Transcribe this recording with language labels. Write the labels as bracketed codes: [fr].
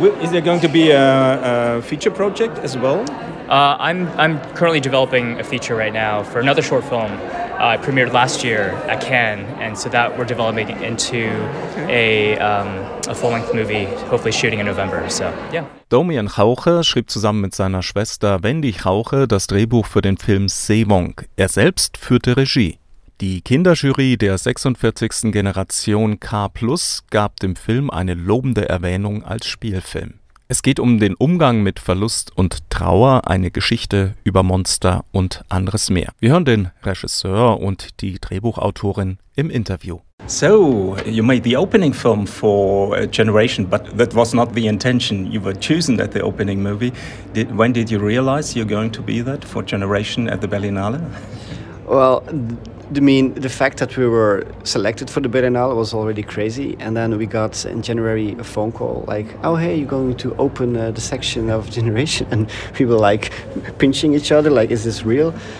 [en] Is there going to be a feature project as well? I'm currently developing a feature right now for another short film Premiered last year at Cannes, and so that we're developing into a full-length movie, hopefully shooting in November. So, yeah. [de] Domian Rauche schrieb zusammen mit seiner Schwester Wendy Rauche das Drehbuch für den Film Sewong. Er selbst führte Regie. Die Kinderjury der 46. Generation K+ gab dem Film eine lobende Erwähnung als Spielfilm. Es geht um den Umgang mit Verlust und Trauer, eine Geschichte über Monster und anderes mehr. Wir hören den Regisseur und die Drehbuchautorin im Interview. [en] So, you made the opening film for a generation, but that was not the intention. You were chosen at the opening movie. When did you realize you're going to be that for generation at the Berlinale? Well, the fact that we were selected for the Berlinale was already crazy, and then we got in January a phone call like, oh hey, you're going to open the section of Generation, and we were like pinching each other like, is this real?